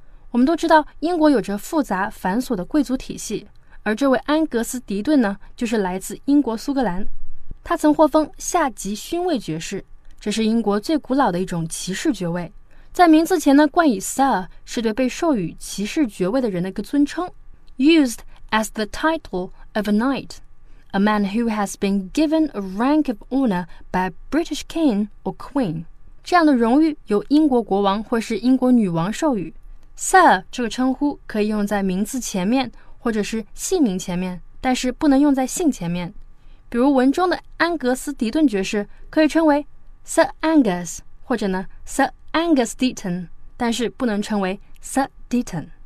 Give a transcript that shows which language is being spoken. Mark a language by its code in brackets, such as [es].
[zh] 我们都知道英国有着复杂繁琐的贵族体系，而这位安格斯·迪顿呢，就是来自英国苏格兰。他曾获封下级勋位爵士，这是英国最古老的一种骑士爵位。在名字前呢，冠以 Sir 是对被授予骑士爵位的人的一个尊称。 [en] Used as the title of a knight, a man who has been given a rank of honor by British king or queen. [zh] 这样的荣誉由英国国王或是英国女王授予。 Sir 这个称呼可以用在名字前面或者是姓名前面，但是不能用在姓前面。比如文中的安格斯·迪顿爵士可以称为 Sir Angus 或者呢 Sir Angus Deaton, 但是不能称为 Sir Deaton。